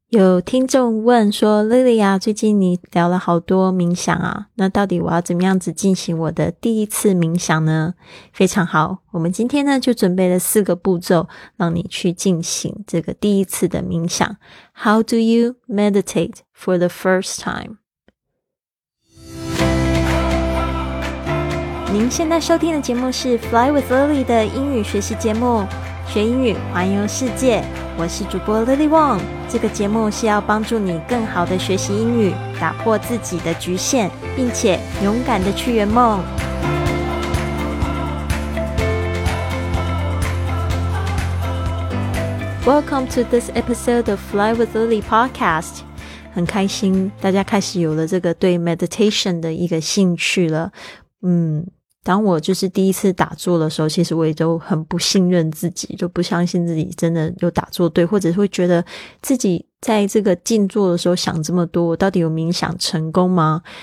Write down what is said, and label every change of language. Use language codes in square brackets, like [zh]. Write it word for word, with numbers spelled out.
[zh] 有听众问说 Lily 啊，最近你聊了好多冥想啊，那到底我要怎么样子进行我的第一次冥想呢？非常好，我们今天呢就准备了四个步骤让你去进行这个第一次的冥想。 [en] How do you meditate for the first time? [zh] 您现在收听的节目是 Fly with Lily 的英语学习节目，学英语环游世界，我是主播 Lily Wong。这个节目是要帮助你更好的学习英语，打破自己的局限，并且勇敢的去圆梦。 [en] Welcome to this episode of Fly with Lily podcast。 [zh] 很开心大家开始有了这个对 meditation 的一个兴趣了。嗯当我就是第一次打坐的时候，其实我也都很不信任自己，就不相信自己真的有打坐对，或者是会觉得自己在这个静坐的时候想这么多，我到底有冥想成功吗？